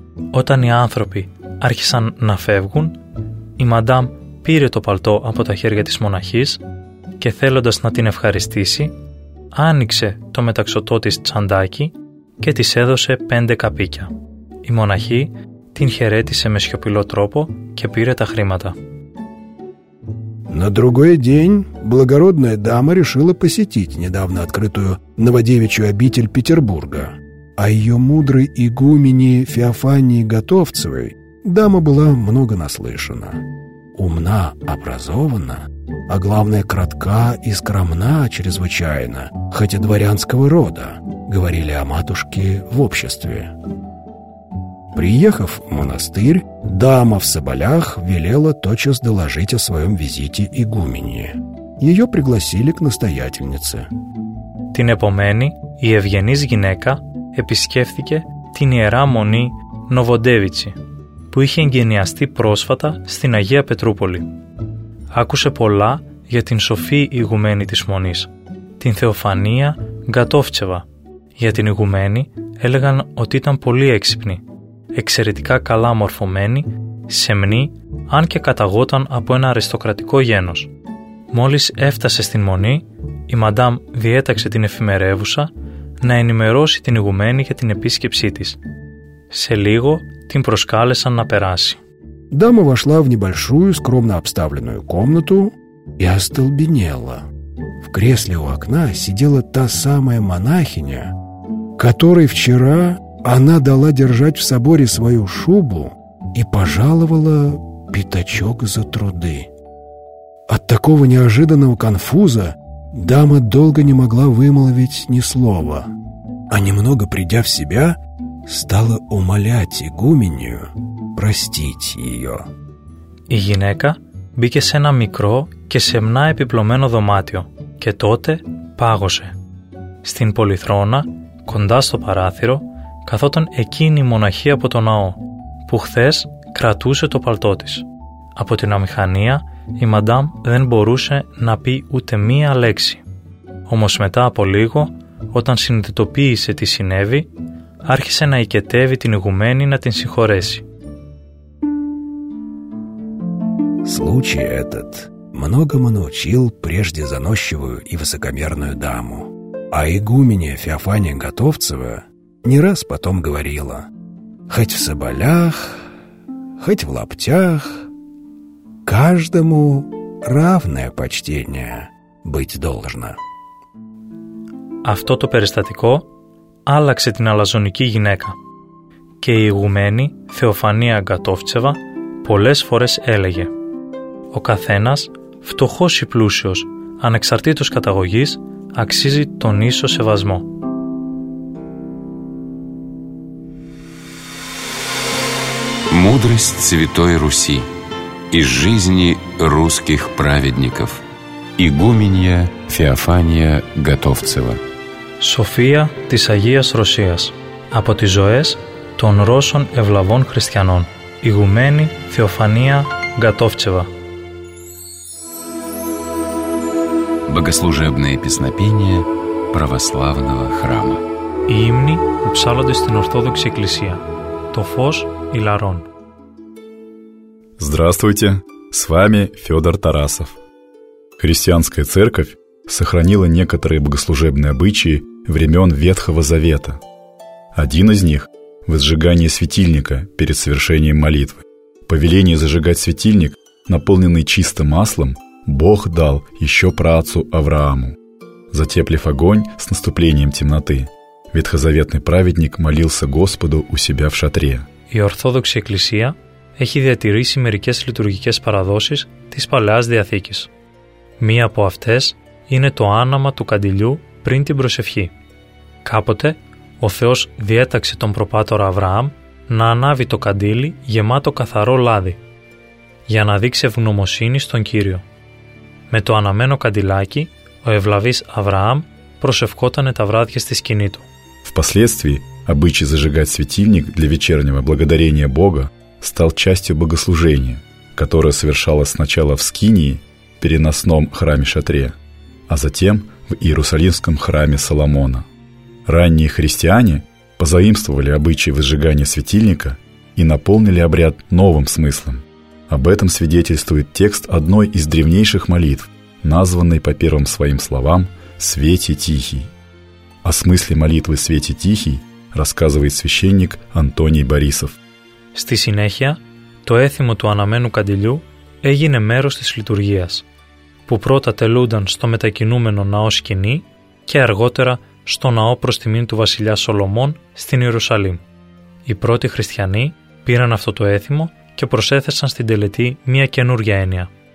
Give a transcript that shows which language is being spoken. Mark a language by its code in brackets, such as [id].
[el] Όταν οι άνθρωποι άρχισαν να φεύγουν, η μαντάμ πήρε το παλτό από τα χέρια της μοναχής και, θέλοντας να την ευχαριστήσει, άνοιξε το μεταξωτό της τσαντάκι και της έδωσε 5 καπίκια. Η μοναχή την χαιρέτησε με σιωπηλό τρόπο και πήρε τα χρήματα. [ru] На другой день благородная дама решила посетить недавно открытую Новодевичью обитель Петербурга. А ее мудрой игумени Феофании Готовцевой дама была много наслышана. Умна, образована, а главное, кратка и скромна чрезвычайно, хоть и дворянского рода, говорили о матушке в обществе. Приехав в монастырь, дама в соболях велела тотчас доложить о своем визите игумени. Ее пригласили к настоятельнице. [el] Την επομένη, η ευγενής γυναίκα επισκέφθηκε την ιερά μονή Νοβοντέβιτσι, που είχε εγγενιαστεί πρόσφατα στην Αγία Πετρούπολη. Άκουσε πολλά για την σοφή ηγουμένη της μονής, την Θεοφανία Γκατόφτσεβα. Για την ηγουμένη έλεγαν ότι ήταν πολύ έξυπνη, εξαιρετικά καλά μορφωμένη, σεμνή, αν και καταγόταν από ένα αριστοκρατικό γένος. Μόλις έφτασε στην μονή, η μαντάμ διέταξε την εφημερεύουσα να ενημερώσει την ηγουμένη για την επίσκεψή της. Σε λίγο την προσκάλεσαν να περάσει. [ru] Дама вошла в небольшую, скромно обставленную комнату и остолбенела. В кресле у окна сидела та самая монахиня, которой вчера она дала держать в соборе свою шубу и пожаловала пятачок за труды. От такого неожиданного конфуза дама долго не могла вымолвить ни слова, а немного придя в себя, стала умолять игуменью простить ее. [el] Η γυναίκα μπήκε σε ένα μικρό και σεμνά επιπλωμένο δωμάτιο και τότε πάγωσε. Στην πολυθρόνα, κοντά στο παράθυρο, καθόταν εκείνη η μοναχή από το ναό, που χθες κρατούσε το παλτό της. Από την αμηχανία, η μαντάμ δεν μπορούσε να πει ούτε μία λέξη. Όμως μετά από λίγο, όταν συνειδητοποίησε τι συνέβη, άρχισε να ικετεύει την ηγουμένη να την συγχωρέσει. [ru] Случай этот многому научил прежде заносчивую и высокомерную даму. А игуменья Феофания Готовцева не раз потом говорила: «Хоть в соболях, хоть в лаптях, каждому равное почтение быть должно». [el] Αυτό το περιστατικό άλλαξε την αλαζονική γυναίκα. Και η ηγουμένη Θεοφανία Γκατόφτσεβα πολλές φορές έλεγε: «Ο καθένας, φτωχός ή πλούσιος, ανεξαρτήτως καταγωγής, αξίζει τον ίσο σεβασμό». [ru] Мудрость Святой Руси из жизни русских праведников. Игуменья Феофания Готовцева. [el] Σοφία της Αγίας Ρωσίας. Από τις ζωές των Ρώσων ευλαβών χριστιανών. Ηγουμένη Θεοφανία Γκατόφτσεβα. [ru] Богослужебные песнопения православного храма. [el] Οι ύμνοι που ψάλλονται στην Ορθόδοξη Εκκλησία. Το φως Ιλαρών. [ru] Здравствуйте, с вами Федор Тарасов. Христианская церковь сохранила некоторые богослужебные обычаи времен Ветхого Завета. Один из них – возжигание светильника перед совершением молитвы. Повеление зажигать светильник, наполненный чистым маслом, Бог дал еще праотцу Аврааму. Затеплив огонь с наступлением темноты, ветхозаветный праведник молился Господу у себя в шатре. [el] Η Ορθόδοξη Εκκλησία έχει διατηρήσει μερικές λειτουργικές παραδόσεις της Παλαιάς Διαθήκης. Μία από αυτές είναι το άναμα του καντιλιού πριν την προσευχή. Κάποτε, ο Θεός διέταξε τον προπάτορα Αβραάμ να ανάβει το καντήλι γεμάτο καθαρό λάδι, για να δείξει ευγνωμοσύνη στον Κύριο. Με το αναμένο καντιλάκι, ο ευλαβής Αβραάμ προσευχότανε τα βράδια στη σκηνή του. [ru] Впоследствии, обычай зажигать светильник для вечернего благодарения Бога стал частью богослужения, которое совершалось сначала в Скинии, переносном храме-шатре, а затем в Иерусалимском храме Соломона. Ранние христиане позаимствовали обычай возжигания светильника и наполнили обряд новым смыслом. Об этом свидетельствует текст одной из древнейших молитв, названной по первым своим словам «Свете Тихий». О смысле молитвы «Свете Тихий» рассказывает священник Антоний Борисов. [el] Στη συνέχεια, το έθιμο του αναμένου καντιλιού έγινε μέρος της λειτουργίας, που πρώτα τελούνταν στο μετακινούμενο ναό σκηνή και αργότερα στο ναό προς τιμήν του βασιλιά Σολομών στην Ιερουσαλήμ. Οι πρώτοι χριστιανοί πήραν αυτό το έθιμο και προσέθεσαν στην τελετή μια καινούργια έννοια.